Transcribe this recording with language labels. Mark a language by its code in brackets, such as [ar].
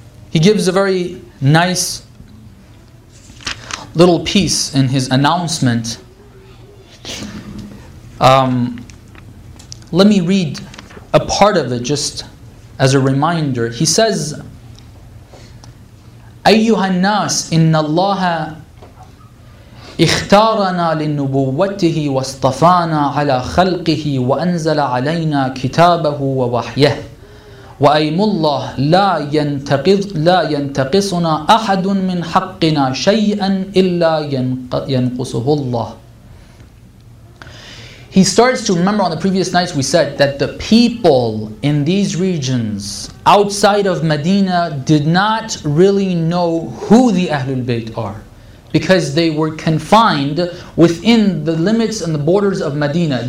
[en] He gives a very nice little piece in his announcement. Let me read a part of it just as a reminder. He says, [ar] "Ayyuha an-nas, inna Allah اختارنا لنبوته واصطفانا على خلقه وأنزل علينا كتابه ووحيه وأيم الله لا ينتقصنا أحد من حقنا شيئا إلا ينقصه الله." [en] He starts to remember, on the previous nights we said that the people in these regions outside of Medina did not really know who the Ahlul Bayt are, because they were confined within the limits and the borders of Medina.